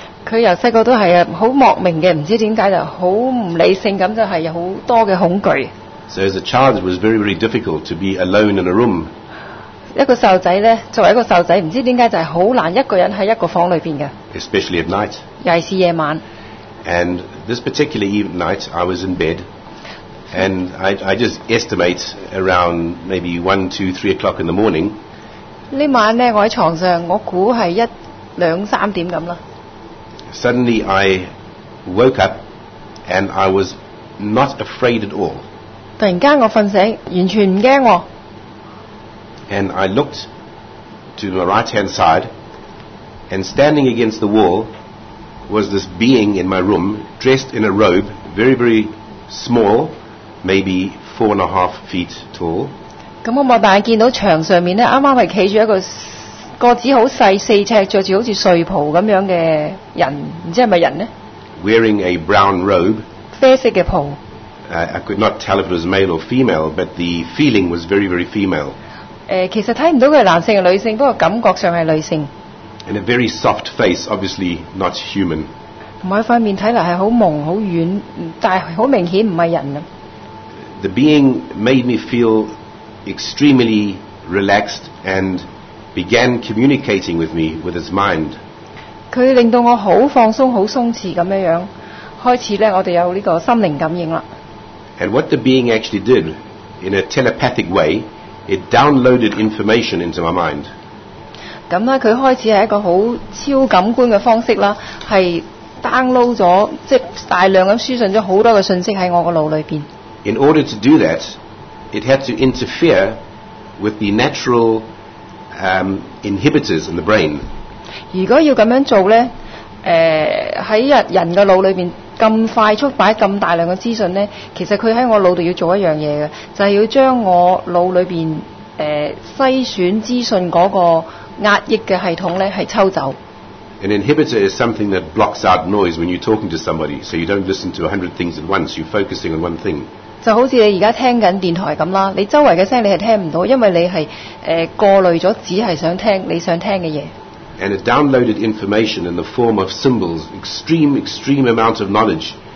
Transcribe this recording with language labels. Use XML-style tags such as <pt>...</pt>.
<yue>佢由細個都係好莫名嘅，唔知點解就好唔理性咁，就係有好多嘅恐懼。</yue> <en>So as a child, it was very, very difficult to be alone in a room.</en> <yue>一個細路仔咧，作為一個細路仔，唔知點解就係好難一個人喺一個房裏邊嘅。</yue> <en>Especially at night.</en> <yue>尤其是夜晚。</yue> <en>And this particular night, I was in bed, and I just estimate around maybe 1, 2, 3 o'clock in the morning.</en> <yue>呢晚咧，我喺牀上，我估係一兩三點咁啦。</yue> <en>Suddenly I woke up and I was not afraid at all.</en> <yue>突然間我瞓醒，完全唔驚喎。</yue> <en>And I looked to my right hand side and standing against the wall was this being in my room dressed in a robe, very, very small, maybe 4.5 feet tall.</en> <yue>咁我擘大眼見到牆上面咧，啱啱係企住一個個子好細，四尺，穿著好似睡袍咁樣嘅人，唔知係咪人呢</yue> <en>？Wearing a brown robe，</en> <yue>啡色嘅袍。</yue> <en>I could not tell if it was male or female, but the feeling was very, very female。</en> <yue>其實睇唔到佢係男性定女性，不過感覺上係女性。</yue> <en>And a very soft face, obviously not human。</en> <yue>同埋塊面睇嚟係好朦好遠，但係好明顯唔係人啊。</yue> <en>The being made me feel extremely relaxed and began communicating with me with his mind.</en> <yue>佢令到我好放松好松弛咁样样，开始咧我哋有呢个心灵感应啦。</yue> <en>And what the being actually did, in a telepathic way, it downloaded information into my mind.</en> <yue>咁咧，佢开始系一个好超感官嘅方式啦，系 download 咗，即系大量咁输送咗好多嘅信息喺我个脑里边。</yue> <en>In order to do that, it had to interfere with the natural inhibitors in the brain.</en> <yue>如果要咁样做咧，喺人嘅脑里边咁快速摆咁大量嘅资讯咧，其实佢喺我脑度要做一样嘢嘅，就系、是、要将我脑里边筛选资讯嗰个压抑嘅系统咧系抽走。</yue> <en>An inhibitor is something that blocks out noise when you're talking to somebody, so you don't listen to 100 things at once. You're focusing on one thing.</en> <yue>就好似你而家聽緊電台咁啦，你周圍嘅聲音你係聽唔到，因為你係過濾咗，只係想聽你想聽嘅嘢。</yue> <en>And it downloaded information in the form of symbols, extreme amount of knowledge.</en>